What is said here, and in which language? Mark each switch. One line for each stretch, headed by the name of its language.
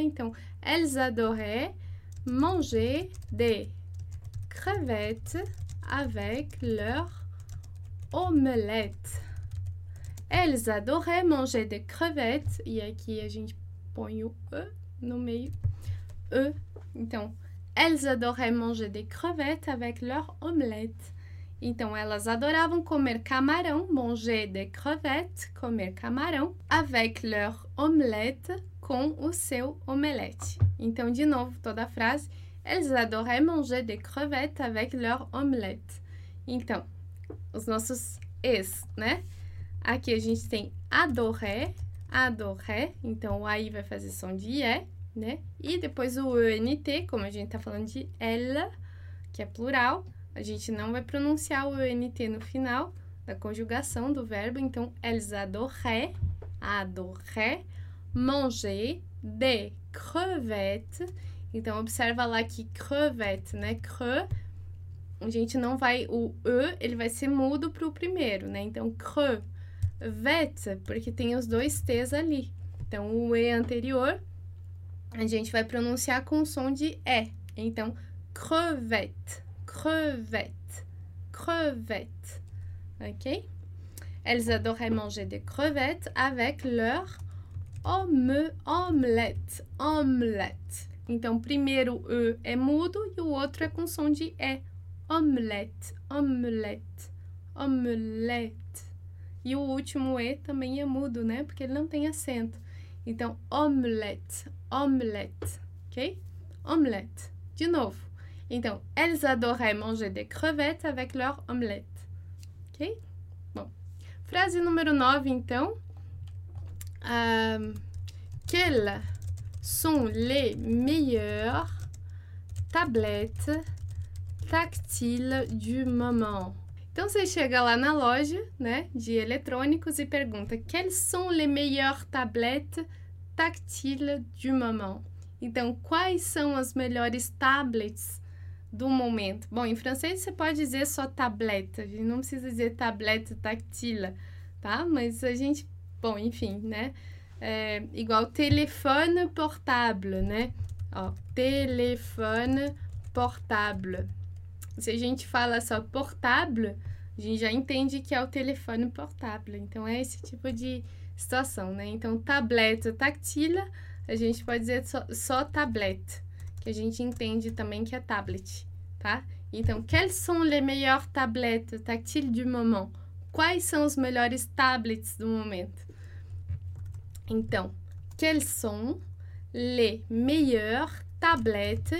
French: Então, elles adoraient manger des crevettes avec leur omelette. Elles adoraient manger des crevettes,
Portuguese: e aqui a gente põe o E no meio. E.
French: Então, elles adoraient manger des crevettes avec leur omelette.
Portuguese: Então, elas adoravam comer camarão,
French: manger des crevettes,
Portuguese: comer camarão,
French: avec leur omelette,
Portuguese: com o seu omelete. Então, de novo, toda a frase.
French: Elles adoraient manger des crevettes avec leur omelette.
Portuguese: Então, os nossos es, né? Aqui a gente tem adoraient. Adoré, então o aí vai fazer som de é, né? E depois o ENT, como a gente tá falando de ela, que é plural, a gente não vai pronunciar o ENT no final da conjugação do verbo.
French: Então, elles adoraient, adoraient manger des crevettes.
Portuguese: Então, observa lá que crevette, né? Creux, a gente não vai, o E, ele vai ser mudo pro primeiro, né? Então, creux. Vet, porque tem os dois T's ali. Então, o E anterior, a gente vai pronunciar com o som de E. Então, crevette, crevette, crevette. Ok?
French: Elles adoraient manger des crevettes avec leur omelette, omelette.
Portuguese: Então, primeiro E é mudo e o outro é com som de E.
French: Omelette, omelette, omelette.
Portuguese: E o último E também é mudo, né? Porque ele não tem acento. Então, omelette, omelette, ok? Omelette. De novo.
French: Então, elles adoraient manger des crevettes avec leur omelette, ok?
Portuguese: Bom, frase número 9, então.
French: Quelles sont les meilleures tablettes tactiles du moment?
Portuguese: Então você chega lá na loja, né, de eletrônicos e pergunta:
French: Quelles sont les meilleures tablettes tactiles du moment?
Portuguese: Então, quais são as melhores tablets do momento? Bom, em francês você pode dizer só tablette, a gente não precisa dizer tablette tactile, tá? Mas a gente, bom, enfim, né? É igual téléphone portable, né? Ó, téléphone portable. Se a gente fala só portable, a gente já entende que é o telefone portable. Então, é esse tipo de situação, né? Então, tablette tactile, a gente pode dizer só tablette, que a gente entende também que é tablet, tá?
French: Então, quelles sont les meilleures tablettes tactiles du moment?
Portuguese: Quais são os melhores tablets do momento?
French: Então, quelles sont les meilleures tablettes?